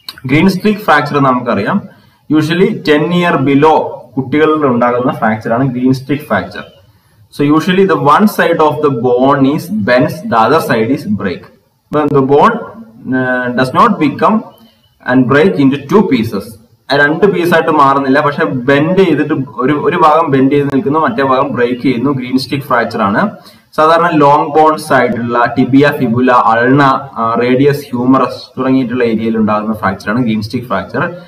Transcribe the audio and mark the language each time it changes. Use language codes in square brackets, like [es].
[ml] Green streak fracture നമുക്കറിയാം. Usually 10 year below കുട്ടികളിൽ ഉണ്ടാകുന്ന ഫ്രാക്ചറാണ് green streak fracture. [en] So usually the one side of the bone is bends, the other side is break. When the bone does not become and break into two pieces, [ml] രണ്ട് piece ആയിട്ട് മാറുന്നില്ല, പക്ഷെ bend ചെയ്തിട്ട് ഒരു ഭാഗം bend ചെയ്ത് നിൽക്കുന്നു, മറ്റേ ഭാഗം ബ്രേക്ക് ചെയ്യുന്നു. ഗ്രീൻ സ്റ്റിക്ക് ഫ്രാക്ചർ ആണ്. സാധാരണ ലോങ് ബോൺസ് ആയിട്ടുള്ള tibia, fibula, ulna radius humorous തുടങ്ങിയിട്ടുള്ള ഏരിയയിൽ ഉണ്ടാകുന്ന ഫ്രാക്ചറാണ് ഗ്രീൻ സ്റ്റിക്ക് ഫ്രാക്ചർ.